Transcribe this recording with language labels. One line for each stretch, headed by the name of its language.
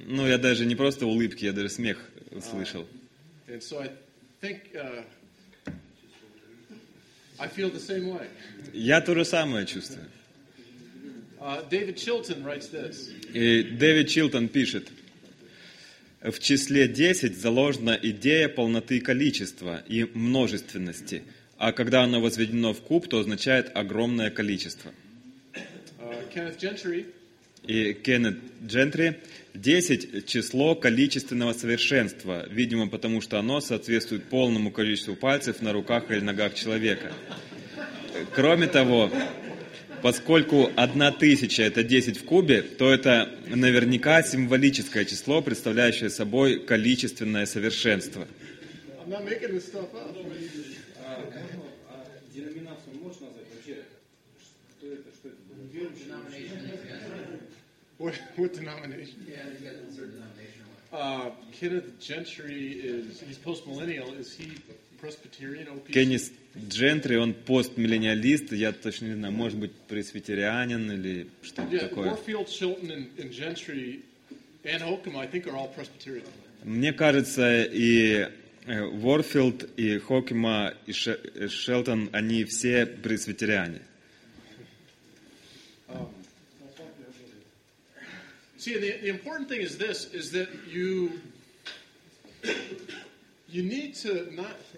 Russian: Ну, я даже не просто улыбки, я даже смех услышал.
English: And so I think, I feel the same way.
Russian: Я то же самое чувствую.
English: David Chilton writes this.
Russian: И Дэвид Чилтон пишет: «В числе 10 заложена идея полноты количества и множественности, а когда оно возведено в куб, то означает огромное количество». Кеннет Джентри: «10 – число количественного совершенства, видимо, потому что оно соответствует полному количеству пальцев на руках или ногах человека. Кроме того, поскольку 1000 – это 10 в кубе, то это наверняка символическое число, представляющее собой количественное совершенство».
English: I'm not making this stuff up.
Russian: Деноминацию можно назвать?
English: What denomination? Kenneth Gentry is post-millennial. Is he Presbyterian?
Russian: Кеннис Джентри, он постмиллениалист, я точно не знаю, может быть, пресвитерианин или что-то такое.
English: Warfield, Chilton, and Gentry, and Hokema, I think, are all Presbyterian.
Russian: Мне кажется, и Warfield, и Хокема, и Шелтон, они все пресвитериане.
English: See, the important thing is this, is that you need to not...